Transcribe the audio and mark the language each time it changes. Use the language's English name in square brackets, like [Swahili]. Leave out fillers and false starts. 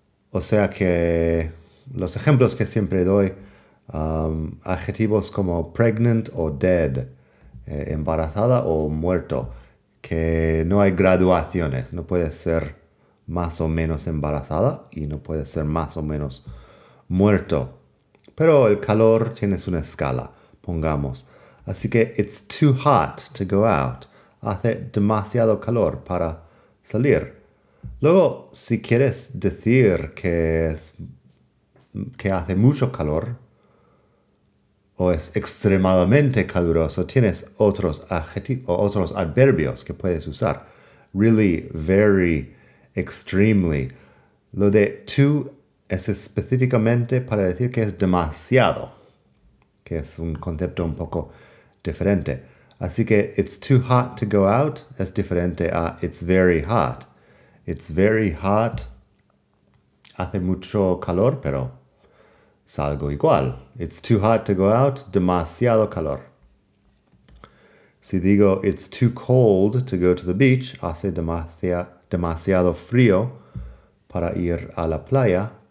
[Spanish] O sea que los ejemplos que siempre doy, adjetivos como pregnant o dead, embarazada o muerto, que no hay graduaciones. No puedes ser más o menos embarazada y no puedes ser más o menos muerto. Pero el calor tiene una escala, pongamos. Así que [English] it's too hot to go out. [Spanish] Hace demasiado calor para salir. Luego, si quieres decir que hace mucho calor o es extremadamente caluroso, tienes otros otros adverbios que puedes usar. [English] Really, very, extremely. [Spanish] Lo de too es específicamente para decir que es demasiado, que es un concepto un poco diferente. Así que [English] it's too hot to go out [Spanish] es diferente a [English] it's very hot. It's very hot. [Spanish] Hace mucho calor, pero salgo igual. [English] It's too hot to go out. [Spanish] Demasiado calor. Si digo [English] it's too cold to go to the beach, [Spanish] hace demasiado frío para ir a la playa.